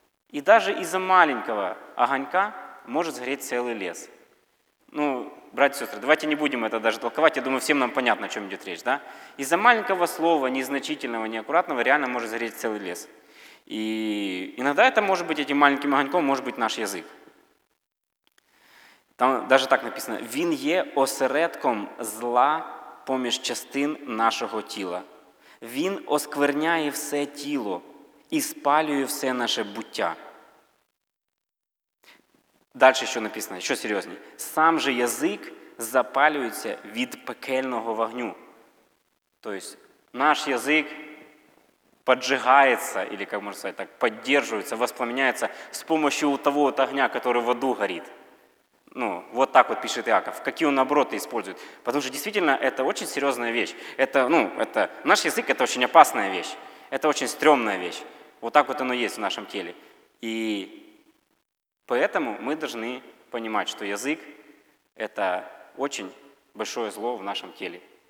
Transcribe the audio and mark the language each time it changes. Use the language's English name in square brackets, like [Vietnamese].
[Russian] И даже из-за маленького огонька может сгореть целый лес. Ну, братья и сестры, давайте не будем это даже толковать, я думаю, всем нам понятно, о чем идет речь, да? Из-за маленького слова, незначительного, неаккуратного, реально может сгореть целый лес. И иногда это может быть этим маленьким огоньком, может быть наш язык. Там даже так написано, [Ukrainian] він є осередком зла поміж частин нашого тіла. Він оскверняє все тіло і спалює все наше буття. Дальше що написано, що серйозні. Сам же язик запалюється від пекельного вогню. Тобто наш язик поджигається, или як можна сказати, так, піддержується, воспламеняється з [Russian] помощью того огня, [Ukrainian] який в аду горить. [Russian] Ну, вот так вот пишет Иаков, какие он обороты использует. Потому что действительно это очень серьезная вещь. Это, ну, это наш язык, это очень опасная вещь. Это очень стрёмная вещь. Вот так вот оно есть в нашем теле. И поэтому мы должны понимать, что язык – это очень большое зло в нашем теле.